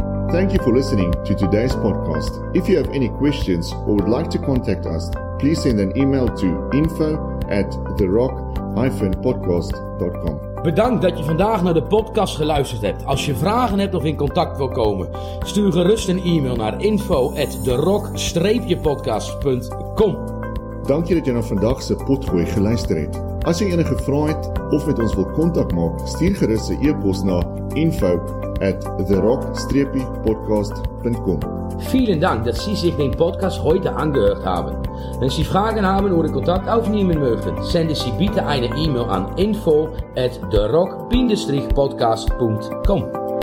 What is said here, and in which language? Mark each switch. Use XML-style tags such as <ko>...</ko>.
<en>Thank you for listening to today's podcast. If you have any questions or would like to contact us, please send an email to info@therock-podcast.com.</en> <nl>Bedankt dat je vandaag naar de podcast geluisterd hebt. Als je vragen hebt of in contact wil komen, stuur gerust een e-mail naar info@therock-podcast.com.</nl> <af>Dank je dat je naar vandaag se potgooi geluister het. As jy enige vrae het of met ons wil kontak maak, stuur gerus 'n e-pos na info@therock-podcast.com.</af> <de>Vielen Dank, dass Sie sich den Podcast heute angehört haben. Wenn Sie Fragen haben oder Kontakt aufnehmen möchten, senden Sie bitte eine E-Mail an info@therock-podcast.com.</de>